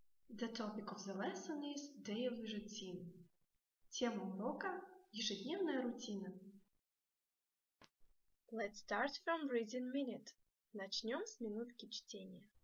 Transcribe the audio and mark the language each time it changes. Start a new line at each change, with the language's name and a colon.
English: The topic of the lesson is daily routine.
Russian: Тема урока – ежедневная рутина.
English: Let's start from reading minute.
Russian: Начнем с минутки чтения.